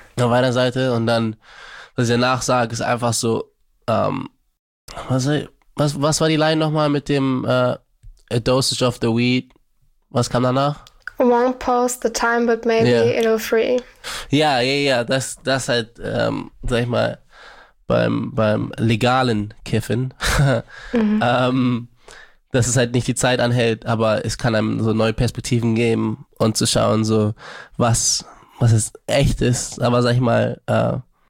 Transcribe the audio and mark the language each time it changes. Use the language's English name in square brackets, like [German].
[German] Auf einer Seite und dann, was ich danach sage, ist einfach so, was war die Line nochmal mit dem [English] A Dosage of the Weed? [German] Was kam danach? [English] Won't pause the time, but maybe it'll free. [German] Ja, das halt, sag ich mal, beim legalen Kiffen, dass es halt nicht die Zeit anhält, aber es kann einem so neue Perspektiven geben und zu schauen, so was es echt ist, aber sag ich mal,